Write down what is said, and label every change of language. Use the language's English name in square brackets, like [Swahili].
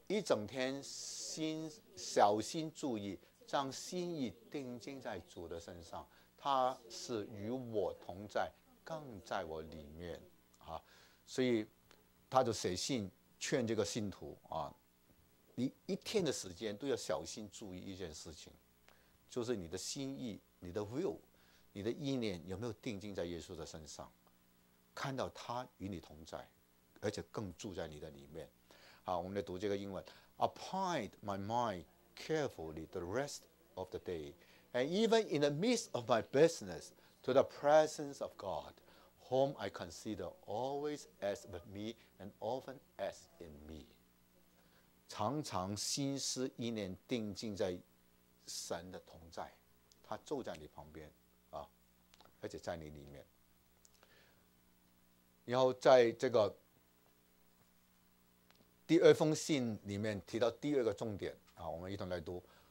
[Chinese] 一整天心小心注意，将心意定睛在主的身上，他是与我同在，更在我里面所以他就写信劝这个信徒你一天的时间都要小心注意一件事情，就是你的心意，你的 will，你的意念有没有定睛在耶稣的身上，看到他与你同在，而且更住在你的里面。好，我们来读这个英文。 [English] Appoint my mind carefully the rest of the day, and even in the midst of my business, to the presence of God, whom I consider always as with me and often as in me. [Chinese] 常常心思意念定睛在神的同在，他住在你旁边而且在你里面。然后在这个第二封信里面提到第二个重点我们一同来读。